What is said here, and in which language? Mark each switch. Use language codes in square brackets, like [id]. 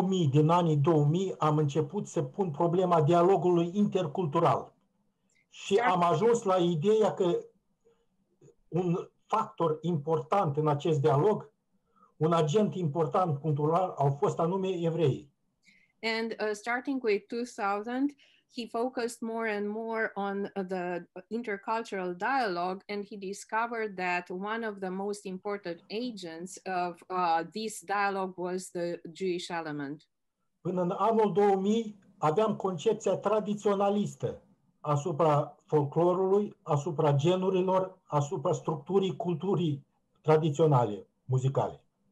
[ro] Din anii 2000 am început să pun problema dialogului intercultural. Și am ajuns la ideea că un factor important în acest dialog, un agent important cultural au fost anume evreii. [en] And starting with 2000, he focused more and more on the intercultural dialogue, and he discovered that one of the most important agents of this dialogue was the Jewish element. [ro] Până în anul 2000, aveam concepția tradiționalistă asupra folclorului, asupra genurilor, asupra structurii culturii tradiționale, muzicale.